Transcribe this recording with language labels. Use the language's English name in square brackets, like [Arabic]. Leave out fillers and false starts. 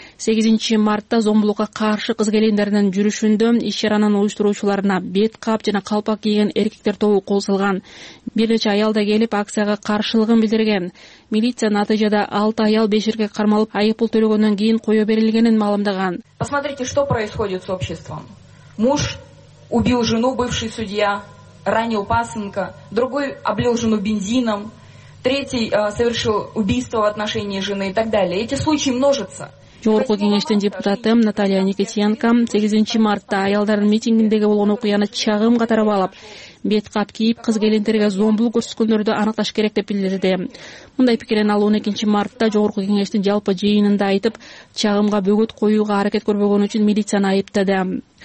[Kyrgyz] 8 мартта зомбулукка каршы кыз келиндеринин жүрүшүндө иш чаранын уюштуруучуларына бет кап жана калпак кийген эркектер тобу кол салган. Бир нече аял да келип акцияга каршылыгын билдирген. Милиция натыйжада 6 аял 5 эркек кармалып айыппул төлөгөндөн кийин коюу берилгенин маалымдаган. [Russian] Посмотрите, что происходит с обществом. Муж убил жену, бывший судья, ранил пасынка, другой облил жену бензином, третий совершил убийство в отношении жены и так далее. Эти случаи множатся. [Kyrgyz] Жогорку кеңештин депутаты Наталья Никитенко 8 мартта аялдардын митингиндеги болгон окуяны чагым катарып алып, бет кап кийип кыз келиндерге зомбулук көрсөткөндөрдү аныкташ керек деп билдирди. Мындай пикирин ал 12 мартта жогорку кеңештин жалпы жыйынында айтып, чагымга бөгөт коюуга аракет көрбөгөн үчүн милицияны айыптады.